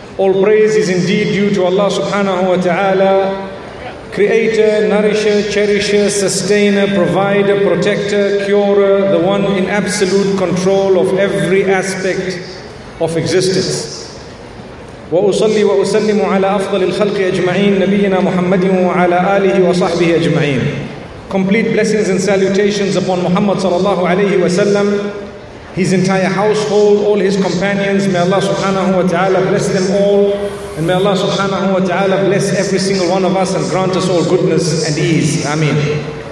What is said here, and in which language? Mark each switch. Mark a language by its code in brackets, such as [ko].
[en] All praise is indeed due to Allah subhanahu wa ta'ala, creator, nourisher, cherisher, sustainer, provider, protector, curer, the one in absolute control of every aspect of existence. [ar] وأصلي وأسلم على أفضل الخلق أجمعين نبينا محمد وعلى آله وصحبه أجمعين. [en] Complete blessings and salutations upon Muhammad sallallahu alayhi wa sallam, his entire household, all his companions. May Allah subhanahu wa ta'ala bless them all, and may Allah subhanahu wa ta'ala bless every single one of us and grant us all goodness and ease. Ameen.